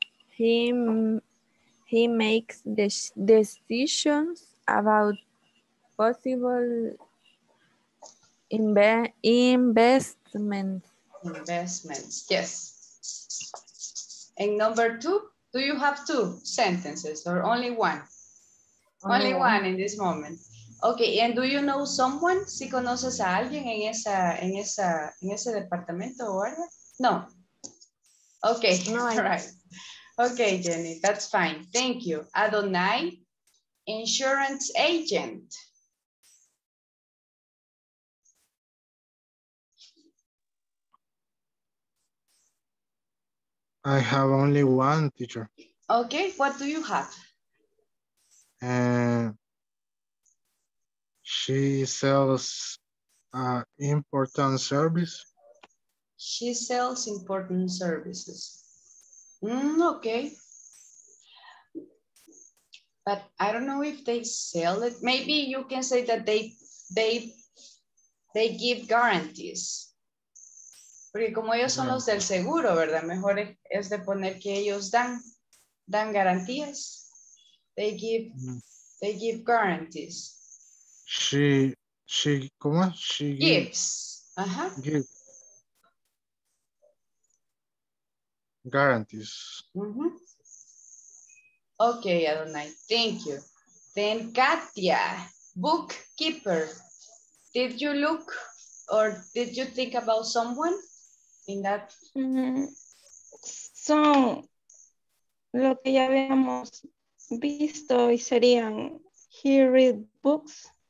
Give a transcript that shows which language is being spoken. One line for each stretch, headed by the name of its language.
English: He makes decisions about possible investments. Yes. And number two, do you have two sentences or only one? Only one in this moment. Okay, and do you know someone?
Spanish: ¿Si conoces a alguien en ese departamento o área?
English: No. Okay, no, all right. Okay, Jenny, that's fine. Thank you. Adonai, insurance agent. I have only one, teacher. Okay, what do you have? She sells important service. She sells important services. Okay. But I don't know if they sell it. Maybe you can say that they give guarantees.
Spanish: Porque como ellos son los del seguro, ¿verdad? Mejor es de poner que ellos dan garantías.
English: They give guarantees. She
Spanish: ¿cómo?
English: She gives. Ajá. Give. Guarantees. Mm-hmm. Okay, Adonai. Thank you. Then Katia, bookkeeper. Did you look or did you think about someone? In that,
Spanish: son lo que ya habíamos visto y serían
English: he read books,